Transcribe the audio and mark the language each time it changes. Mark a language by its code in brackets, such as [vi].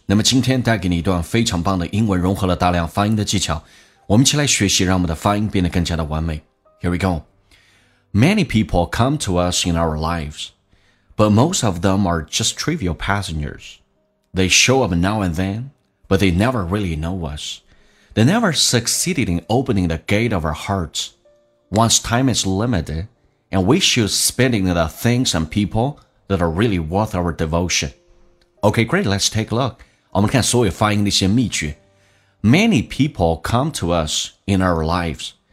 [zh] 那么今天带给你一段非常棒的英文，融合了大量发音的技巧，我们一起来学习，让我们的发音变得更加的完美。 [en] Here we go. Many people come to us in our lives, but most of them are just trivial passengers. They show up now and then, but they never really know us. They never succeeded in opening the gate of our hearts. Once time is limited, and we should spend it on the things and peopleThat are really worth our devotion. Okay, great. Let's take a look. [zh] 我们看所有发音的一些秘诀。 [en] Many people come to us in our lives.